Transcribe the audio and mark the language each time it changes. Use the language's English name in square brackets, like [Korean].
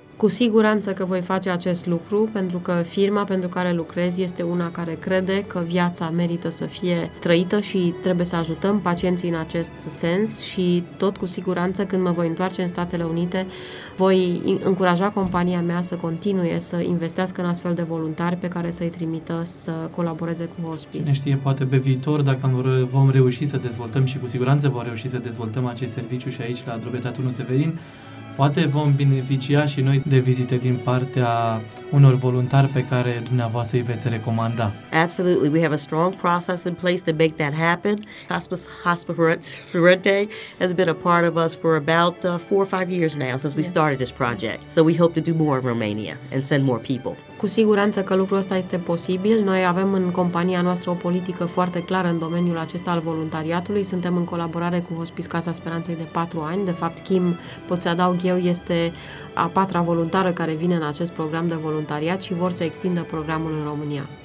[Romanian] Cu siguranță că voi face acest lucru, pentru că firma pentru care lucrez este una care crede că viața merită să fie trăită și trebuie să ajutăm pacienții în acest sens, și tot cu siguranță când mă voi întoarce în Statele Unite, voi încuraja compania mea să continue să investească în astfel de voluntari pe care să-i trimită să colaboreze cu hospice. Cine știe, poate pe viitor, dacă vom reuși să dezvoltăm, și cu siguranță vom reuși să dezvoltăm acest serviciu și aici la Drobeta Turnu Severin, poate vom beneficia și noi de vizite din partea unor voluntari pe care dumneavoastră îi veți recomanda. [English] Absolutely, we have a strong process in place to make that happen. Hospice Florente has been a part of us for about 4 or 5 years now since we started this project. So we hope to do more in Romania and send more people. [Romanian] Cu siguranță că lucrul ăsta este posibil. Noi avem în compania noastră o politică foarte clară în domeniul acesta al voluntariatului. Suntem în colaborare cu Hospice Casa Speranței de 4 ani. De fapt, Kim, pot să adaug eu, este a 4-a voluntară care vine în acest program de voluntariat și vor să extindă programul în România.